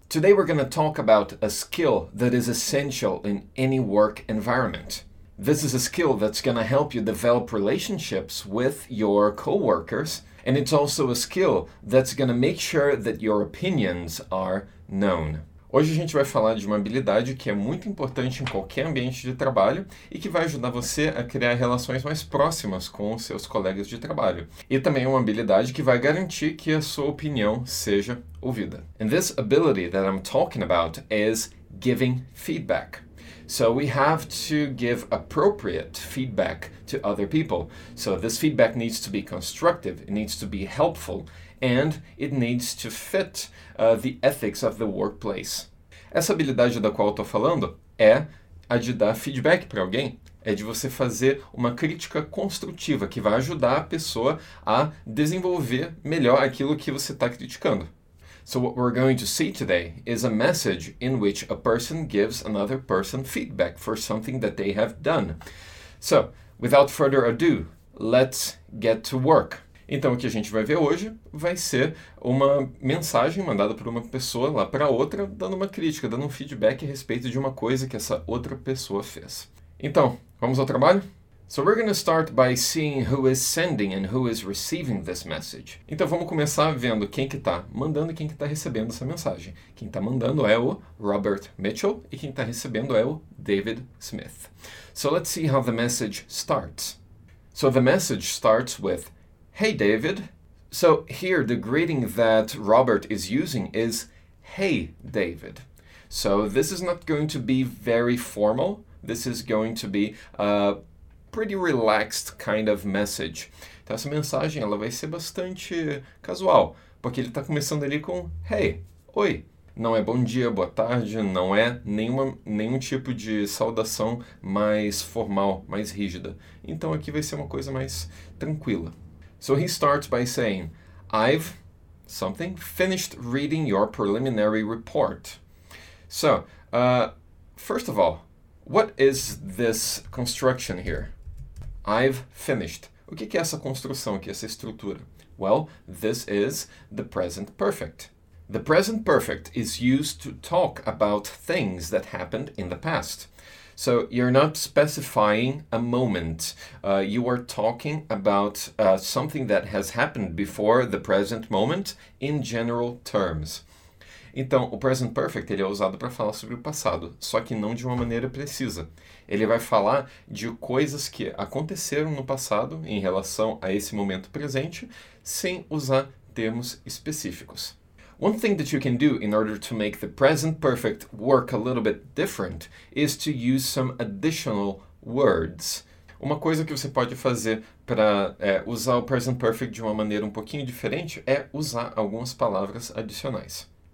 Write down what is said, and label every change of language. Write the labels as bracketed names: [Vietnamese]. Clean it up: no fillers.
[English] Today we're going to talk about a skill that is essential in any work environment. This is a skill that's going to help you develop relationships with your coworkers, and it's also a skill that's going to make sure that your opinions are known. [Portuguese] Hoje a gente vai falar de uma habilidade que é muito importante em qualquer ambiente de trabalho e que vai ajudar você a criar relações mais próximas com os seus colegas de trabalho. E também é uma habilidade que vai garantir que a sua opinião seja ouvida. [English] And this ability that I'm talking about is giving feedback. So we have to give appropriate feedback to other people. So this feedback needs to be constructive, it needs to be helpful, and it needs to fit the ethics of the workplace. [Portuguese] Essa habilidade da qual eu estou falando é a de dar feedback para alguém. É de você fazer uma crítica construtiva que vai ajudar a pessoa a desenvolver melhor aquilo que você está criticando. [English] So what we're going to see today is a message in which a person gives another person feedback for something that they have done. So, without further ado, let's get to work. [Portuguese] Então, o que a gente vai ver hoje vai ser uma mensagem mandada por uma pessoa lá para outra, dando uma crítica, dando um feedback a respeito de uma coisa que essa outra pessoa fez. Então, vamos ao trabalho? [English] So we're going to start by seeing who is sending and who is receiving this message. [Portuguese] Então vamos começar vendo quem que está mandando e quem que está recebendo essa mensagem. Quem está mandando é o Robert Mitchell e quem está recebendo é o David Smith. [English] So let's see how the message starts. So the message starts with, "Hey David." So here the greeting that Robert is using is, "Hey David." So this is not going to be very formal. This is going to be pretty relaxed kind of message. [Portuguese] Então essa mensagem ela vai ser bastante casual, porque ele está começando ali com hey, oi. Não é bom dia, boa tarde, não é nenhum tipo de saudação mais formal, mais rígida. Então aqui vai ser uma coisa mais tranquila. [English] So he starts by saying, "I've something finished reading your preliminary report." So, first of all, what is this construction here? I've finished. [Portuguese] O que é essa construção aqui, essa estrutura? [English] Well, this is the present perfect. The present perfect is used to talk about things that happened in the past. So you're not specifying a moment. You are talking about something that has happened before the present moment in general terms. [Portuguese] Então, o present perfect ele é usado para falar sobre o passado, só que não de uma maneira precisa. Ele vai falar de coisas que aconteceram no passado em relação a esse momento presente, sem usar termos específicos. [English] One thing that you can do in order to make the present perfect work a little bit different is to use some additional words. [Portuguese] Uma coisa que você pode fazer para usar o present perfect de uma maneira um pouquinho diferente é usar algumas palavras adicionais.